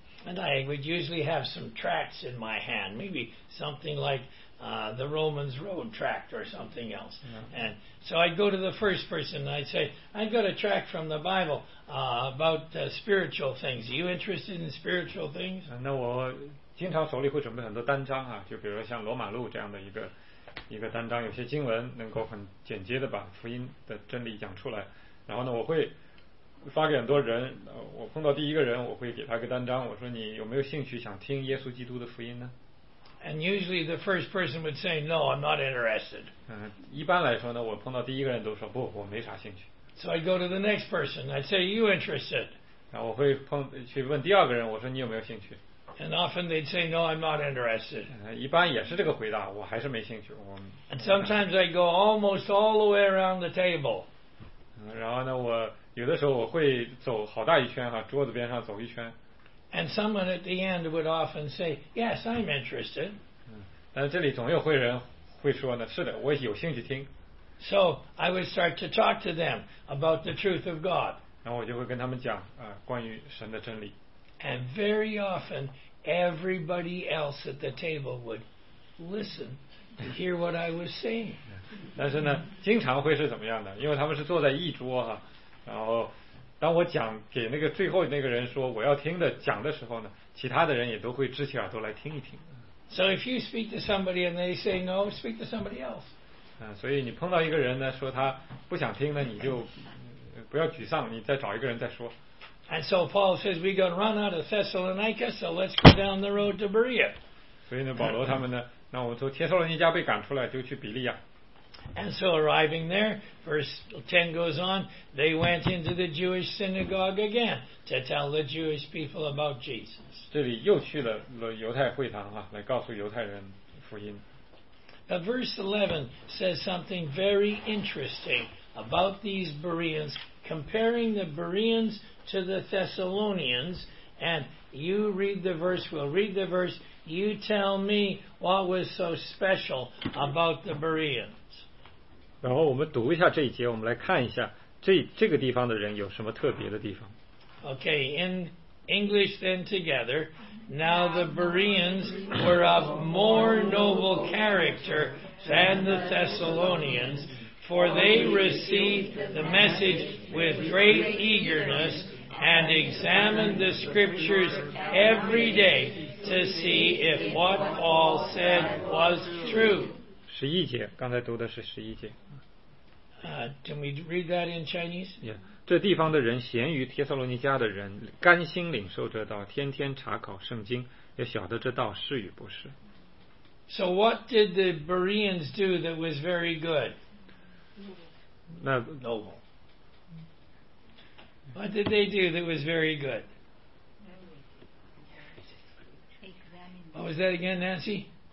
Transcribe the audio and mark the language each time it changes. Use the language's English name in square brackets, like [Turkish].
[English] And I would usually have some tracts in my hand, maybe something like the Romans Road tract or something else. Yeah. And so I'd go to the first person and I'd say, I've got a tract from the Bible about spiritual things. Are you interested in spiritual things? [Chinese] 那我经常手里会准备很多单张啊，就比如像罗马路这样的一个单张，有些经文能够很简洁的把福音的真理讲出来。然后呢，我会发给很多人，我碰到第一个人，我会给他个单张，我说你有没有兴趣想听耶稣基督的福音呢？ [English] And usually the first person would say, no, I'm not interested. [Chinese] 一般来说呢，我碰到第一个人都说不，我没啥兴趣。 [English] So I go to the next person, I'd say, you interested? [Chinese] 然后我会去问第二个人，我说你有没有兴趣？ [English] And often they'd say, no, I'm not interested. [Chinese] 一般也是这个回答，我还是没兴趣。 [English] And sometimes I go almost all the way around the table. [Chinese] 然后呢，我有的时候我会走好大一圈哈，桌子边上走一圈。 [English] And someone at the end would often say, "Yes, I'm interested." [Chinese] 但这里总有人会说呢，是的，我有兴趣听。 [English] So I would start to talk to them about the truth of God. [Chinese] 然后我就会跟他们讲关于神的真理。 [English] And very often, everybody else at the table would listen to hear what I was saying. [Chinese] 但是呢，经常会是怎么样的？因为他们是坐在一桌哈。然后当我讲给那个最后那个人说我要听的讲的时候呢，其他的人也都会支起耳朵来听一听。 [English] So if you speak to somebody and they say no, speak to somebody else. [Chinese] 所以你碰到一个人呢说他不想听呢，你就不要沮丧，你再找一个人再说。 [English] And so Paul says we're going to run out of Thessalonica, so let's go down the road to Berea. [Chinese] 所以呢，保罗他们呢，那我们从帖撒罗尼迦被赶出来就去比利亚。 [English] And so arriving there, verse 10 goes on, they went into the Jewish synagogue again to tell the Jewish people about Jesus. [Chinese] 这里又去了犹太会堂啊，来告诉犹太人福音。 [English] Now verse 11 says something very interesting about these Bereans, comparing the Bereans to the Thessalonians, and you read the verse, we'll read the verse, You tell me what was so special about the Bereans. [Chinese] 然后我们读一下这一节，我们来看一下这个地方的人有什么特别的地方。 [English] Okay, in English then together, now the Bereans were of more noble character than the Thessalonians, for they received the message with great eagerness and examined the scriptures every day to see if what Paul said was true. [Chinese] 十一节，刚才读的是十一节。 [English] Can we read that in Chinese? Yeah. [Chinese] 这地方的人，咸于帖撒罗尼迦的人，甘心领受这道，天天查考圣经，也晓得这道是与不是。 [English] So what did the Bereans do that was very good? Noble. What did they do that was very good? What was that again, Nancy?